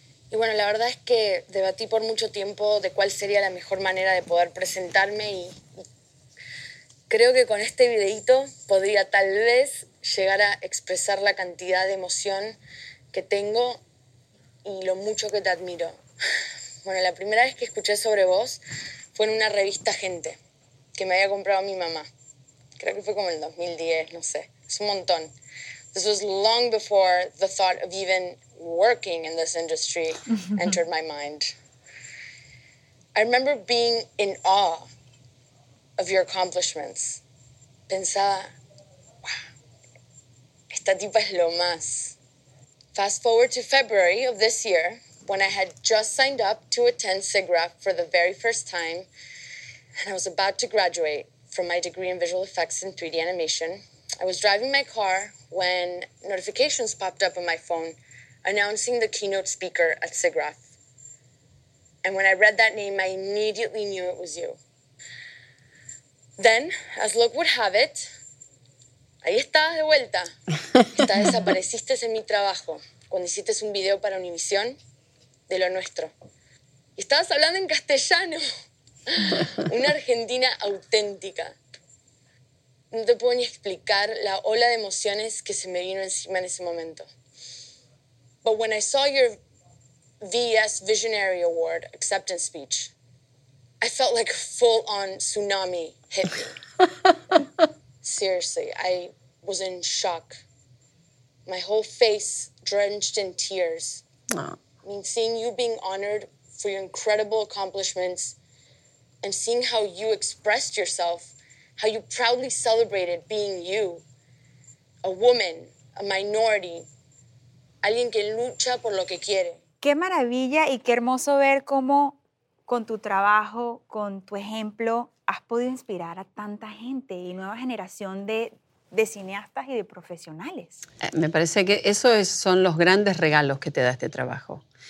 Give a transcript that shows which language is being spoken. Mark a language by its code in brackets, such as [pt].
[es] Y bueno, la verdad es que debatí por mucho tiempo de cuál sería la mejor manera de poder presentarme y creo que con este videíto podría tal vez llegar a expresar la cantidad de emoción que tengo y lo mucho que te admiro. Bueno, la primera vez que escuché sobre vos fue en una revista Gente que me había comprado mi mamá. Creo que fue como el 2010, no sé. Es un montón. [en] This was long before the thought of even working in this industry entered my mind. I remember being in awe of your accomplishments. [es] Pensaba, wow, esta tipa es lo más. [en] Fast forward to February of this year, when I had just signed up to attend SIGGRAPH for the very first time, and I was about to graduate from my degree in visual effects and 3D animation, I was driving my car when notifications popped up on my phone announcing the keynote speaker at SIGGRAPH. And when I read that name, I immediately knew it was you. Then, as luck would have it, [es] ahí estabas de vuelta. Te desapareciste en mi trabajo cuando hiciste un video para Univision de lo nuestro. Y estabas hablando en castellano. Una argentina auténtica. No te puedo ni explicar la ola de emociones que se me vino encima en ese momento. [en] But when I saw your VS Visionary Award acceptance speech, I felt like a full-on tsunami hit me. Seriously, I was in shock. My whole face drenched in tears. I mean, seeing you being honored for your incredible accomplishments and seeing how you expressed yourself, how you proudly celebrated being you, a woman, a minority, [es] alguien que lucha por lo que quiere. Qué maravilla y qué hermoso ver cómo con tu trabajo, con tu ejemplo, has podido inspirar a tanta gente y nueva generación de cineastas y de profesionales. Me parece que esos son los grandes regalos que te da este trabajo.